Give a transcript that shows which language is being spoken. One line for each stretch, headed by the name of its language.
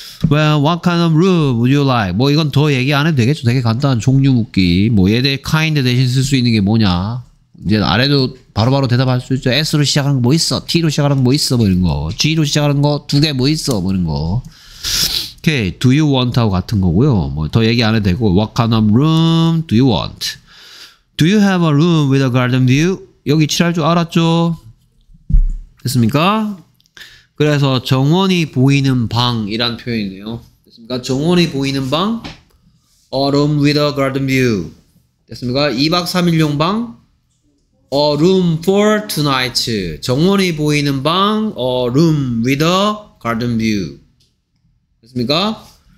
English: Well, what kind of room would you like?
Korean: 뭐 이건 더 얘기 안 해도 되겠죠. 되게 간단한 종류 묻기. 뭐 얘 대해 kind 대신 쓸 수 있는 게 뭐냐. 이제 아래도 바로바로 대답할 수 있죠. S로 시작하는 거 뭐 있어? T로 시작하는 거 뭐 있어? 뭐 이런 거. G로 시작하는 거 두 개 뭐 있어? 뭐 이런 거. 오케이.
English: Do you want?
Korean: 하고 같은 거고요. 뭐 더 얘기 안 해도 되고.
English: What kind of room do you want? Do you have a room with a garden view?
Korean: 여기 칠할 줄 알았죠? 됐습니까? 그래서 정원이 보이는 방이란 표현이네요. 됐습니까? 정원이 보이는 방.
English: A room with a garden view.
Korean: 됐습니까? 2박 3일용 방.
English: A room for tonight.
Korean: 정원이 보이는 방.
English: A room with a garden view.
Korean: 됐습니까?